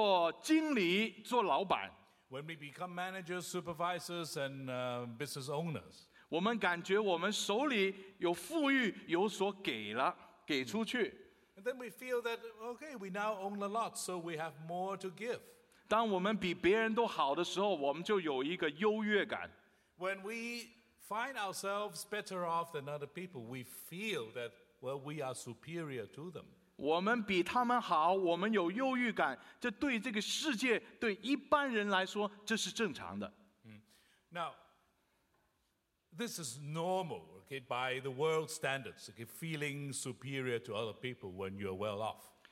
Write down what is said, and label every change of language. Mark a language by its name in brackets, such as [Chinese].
[Chinese] 我们做主管、做经理、做老板。 [English] When we become managers, supervisors, and business owners, [Chinese] 我们感觉我们手里有富裕，有所给了，给出去。 [English] And then we feel that okay, we now own a lot, so we have more to give. [Chinese] 当我们比别人都好的时候，我们就有一个优越感。 [English] When we find ourselves better off than other people, we feel that. Well, we are superior to them. [Chinese] 我们比他们好，我们有优越感，这对这个世界，对一般人来说，这是正常的。 [English] Now, this is normal, okay, by the world standards, okay, feeling superior to other people when you're well off.